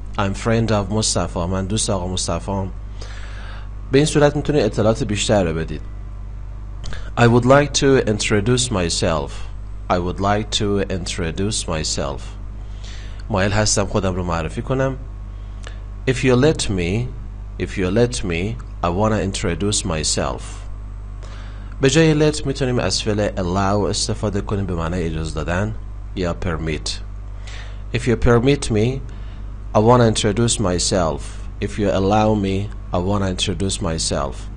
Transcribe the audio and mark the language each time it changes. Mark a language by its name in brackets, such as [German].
[English] I'm friend of Mustafa. [Persian] من دوست آقا مصطفی هم. به این صورت میتونید اطلاعات بیشتر رو بدید. [English] I would like to introduce myself. I would like to introduce myself. [Persian] مایل هستم خودم رو معرفی کنم. [English] If you let me, if you let me, I wanna introduce myself. [Persian] به جای let میتونیم از فعل allow استفاده کنیم به معنی اجازه دادن یا permit. [English] If you permit me, I wanna introduce myself. If you allow me, I wanna introduce myself.